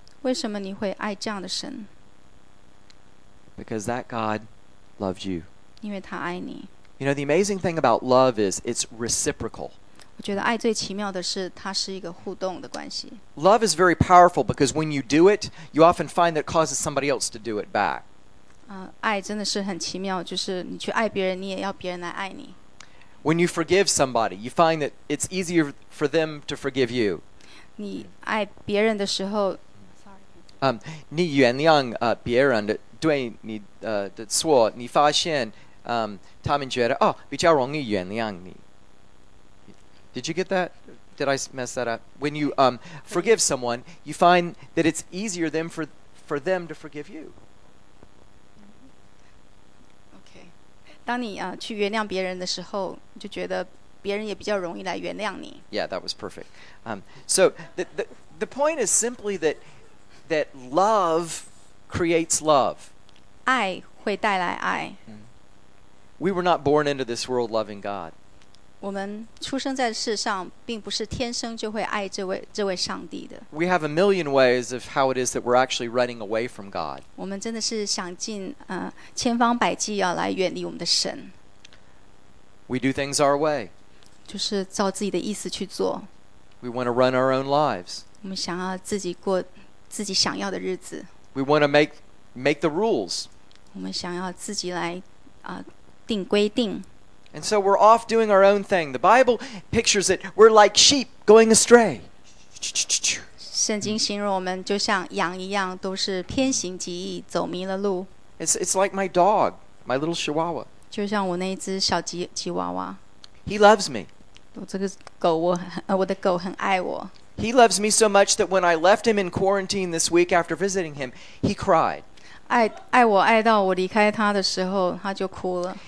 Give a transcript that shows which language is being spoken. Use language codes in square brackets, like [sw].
[zh] 为什么你会爱这样的神？ [en] Because that God loved you. [zh] 因为他爱你。 [en] You know, the amazing thing about love is it's reciprocal. [zh] 我觉得爱最奇妙的是它是一个互动的关系。 [en] Love is very powerful because when you do it, you often find that it causes somebody else to do it back. [zh] 爱真的是很奇妙，就是你去爱别人，你也要别人来爱你。 [en] When you forgive somebody, you find that it's easier for them to forgive you. [zh] 你爱别人的时候，你原谅别人的对你的错，你发现他们觉得哦比较容易原谅你。 [en] Did you get that? Did I mess that up? When you forgive someone, you find that it's easier than for them to forgive you. Okay. [zh] 当你去原谅别人的时候，就觉得别人也比较容易来原谅你。 [en] Yeah, that was perfect. So the point is simply that love creates love. [zh] 爱会带来爱。 [en] We were not born into this world loving God. [zh] 我们出生在世上并不是天生就会爱这位上帝的。 [en] We have a million ways of how it is that we're actually running away from God. [zh] 我们真的是想尽千方百计要来远离我们的神。 [en] We do things our way. [zh] 就是照自己的意思去做。 [en] We want to run our own lives. [zh] 我们想要自己过自己想要的日子。 [en] We want to make the rules. [zh] 我们想要自己来定规定。 [en] And so we're off doing our own thing. The Bible pictures it, we're like sheep going astray. [zh] 圣经形容我们就像羊一样，都是偏行己意，走迷了路。 [en] It's like my dog, my little chihuahua. [zh] 就像我那一只小吉娃娃。 [en] He loves me. [zh] 这个狗我的狗很爱我。 [en] He loves me so much that when I left him in quarantine this week after visiting him, he cried. [zh] 爱我爱到我离开他的时候，他就哭了。